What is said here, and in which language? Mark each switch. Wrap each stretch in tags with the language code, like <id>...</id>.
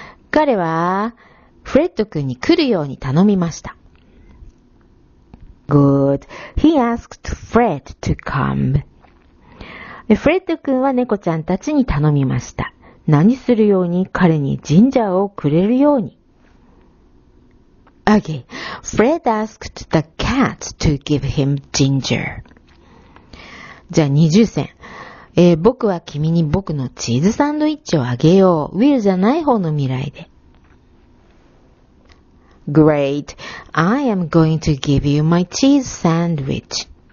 <ja>彼は、フレッド君に来るように頼みました。</ja> <en>good. He asked Fred to come.</en> <ja>フレッド君は猫ちゃんたちに頼みました。何するように彼にジンジャーをくれるように。</ja> <en>Okay. Fred asked the cat to give him ginger.</en> <ja>じゃあ二重線。僕は君に僕のチーズサンドイッチをあげよう。 Will じゃない方の未来で。</ja> <en>Great. I am going to give you my cheese sandwich.</en>